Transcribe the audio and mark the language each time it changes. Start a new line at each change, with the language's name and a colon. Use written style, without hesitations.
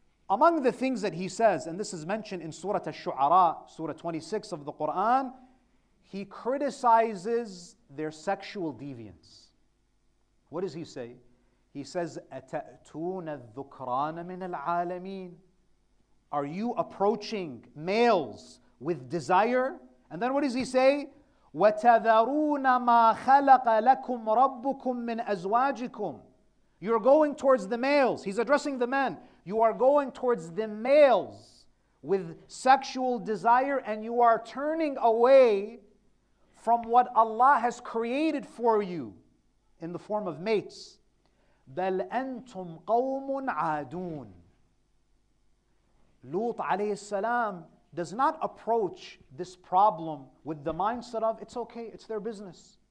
English: Among the things that he says, and this is mentioned in Surah Ash-Shu'ara, Surah 26 of the Qur'an, he criticizes their sexual deviance. What does he say? He says,
Arabic: أَتَأْتُونَ الذُّكْرَانَ مِنَ الْعَالَمِينَ
English: Are you approaching males with desire? And then what does he say?
Arabic: وَتَذَرُونَ مَا خَلَقَ لَكُمْ رَبُّكُمْ مِنْ أَزْوَاجِكُمْ
English: You're going towards the males. He's addressing the men. You are going towards the males with sexual desire and you are turning away from what Allah has created for you in the form of mates.
Arabic: بَلْ أَنْتُمْ قَوْمٌ عَادُونَ
English: Lut alayhi salam does not approach this problem with the mindset of, it's okay, it's their business.